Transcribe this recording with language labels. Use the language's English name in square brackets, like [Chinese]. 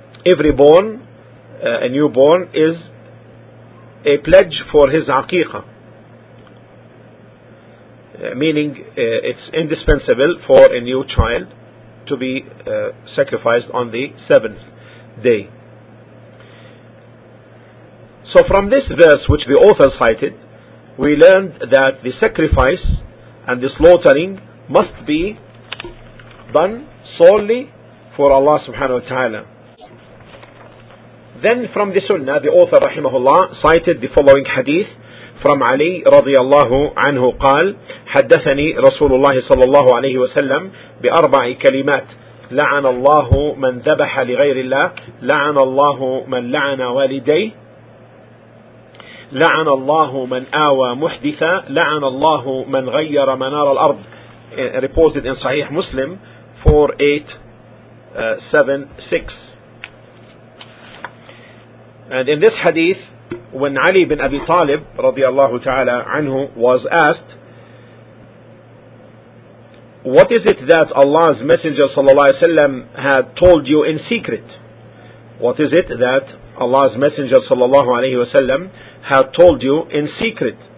[English] Every born, a newborn, is a pledge for his aqiqah, meaning it's indispensable for a new child to be sacrificed on the seventh day. So from this verse which the author cited, we learned that the sacrifice and the slaughtering must be done solely for Allah subhanahu wa ta'ala. Then from the sunnah, the author rahimahullah cited the following hadith from Ali radiyallahu anhu qal, [Arabic] حدثني رسول الله صلى الله عليه وسلم بأربع كلمات لعن الله من ذبح لغير الله لعن الله من لعن والدي لعن الله من آوى محدثا لعن الله من غير منار الأرض [English] reported in [Arabic] صحيح مسلم 4876. [English] And in this hadith, when Ali bin Abi Talib رضي الله تعالى عنه was asked, what is it that Allah's Messenger ﷺ had told you in secret? What is it that Allah's Messenger ﷺ had told you in secret?